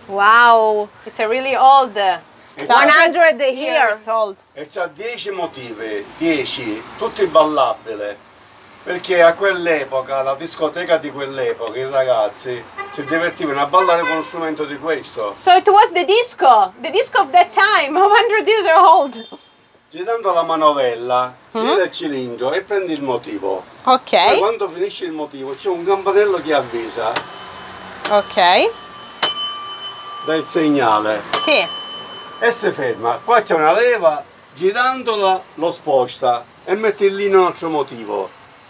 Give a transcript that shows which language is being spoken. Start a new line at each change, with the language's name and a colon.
English: Wow, it's a really old. It's 100 years old.
Italian: E c'ha 10 motivi, 10, tutti ballabili. Perché a quell'epoca, la discoteca di quell'epoca, i ragazzi si divertivano a ballare con uno strumento di questo.
English: So it was the disco of that time, 100 years old.
Italian: Girando la manovella, gira il cilindro e prendi il motivo.
English: Ok.
Italian: E quando finisce il motivo c'è un campanello che avvisa.
English: Ok.
Italian: Dà il segnale. Sì. E si ferma. Qua c'è una leva, girandola lo sposta e metti lì un altro motivo.